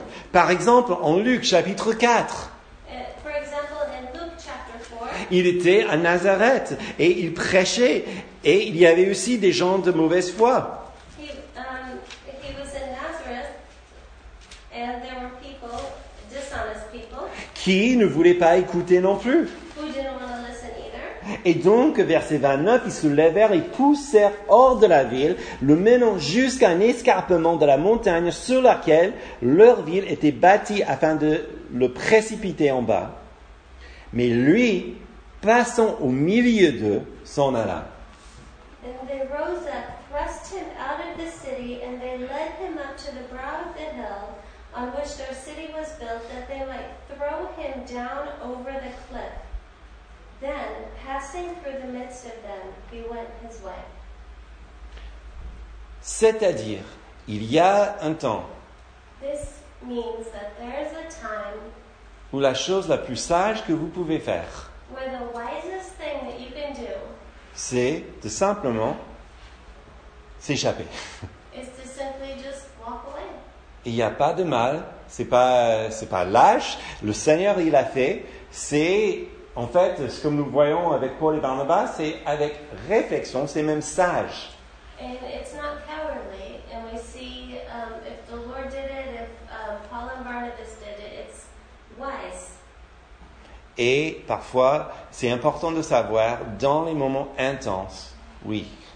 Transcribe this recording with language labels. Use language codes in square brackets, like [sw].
[fr] Par exemple, en Luc, chapitre 4. [en] For example, in Luke, chapter 4. [fr] Il était à Nazareth et il prêchait. Et il y avait aussi des gens de mauvaise foi. [en] He was in Nazareth and there were people, dishonest people, [fr] qui ne voulaient pas écouter non plus. [en] Who didn't want to listen either. [fr] Et donc, verset 29, ils se levèrent et poussèrent hors de la ville, le menant jusqu'à un escarpement de la montagne sur laquelle leur ville était bâtie afin de le précipiter en bas. Mais lui, passant au milieu d'eux, s'en alla. [en] And they rose up, thrust him out of the city, and they led him up to the brow of the hill on which their city was built, that they might throw him down over the cliff. Then, passing through the midst of them, he went his way. [fr] C'est-à-dire, il y a un temps. [en] This means that there is a time [fr] où la chose la plus sage que vous pouvez faire, [en] where the wisest thing that you can do, [fr] c'est de simplement s'échapper. [en] It's to simply just walk away. [fr] Il n'y a pas de mal, c'est pas lâche. Le Seigneur, il a fait. C'est en fait ce que nous voyons avec Paul et Barnabas, c'est avec réflexion, c'est même sage. [en] And it's not cowardly. And we see if the Lord did it, if Paul and Barnabas did it, it's wise. [fr] Et parfois, c'est important de savoir, dans les moments intenses, oui.